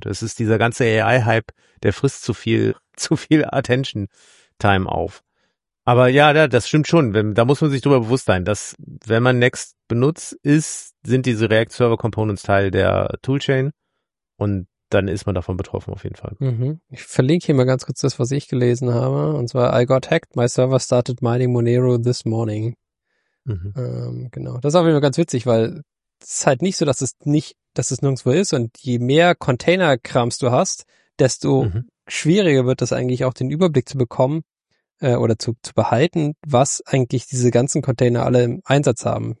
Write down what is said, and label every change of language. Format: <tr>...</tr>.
<de>Das ist dieser ganze AI-Hype, der frisst zu viel Attention-Time auf. Aber ja, das stimmt schon. Da muss man sich drüber bewusst sein, dass wenn man Next benutzt, sind diese React-Server-Components Teil der Toolchain und dann ist man davon betroffen auf jeden Fall. Mhm. Ich verlinke hier mal ganz kurz das, was ich gelesen habe. Und zwar,</de> <en>I got hacked, my server started mining Monero this morning. Mhm.</en> <de>Genau, das ist auf jeden Fall ganz witzig, weil es ist halt nicht so, dass es nirgendwo ist. Und je mehr Container-Krams du hast, desto schwieriger wird es eigentlich auch, den Überblick zu bekommen oder zu behalten, was eigentlich diese ganzen Container alle im Einsatz haben.</de>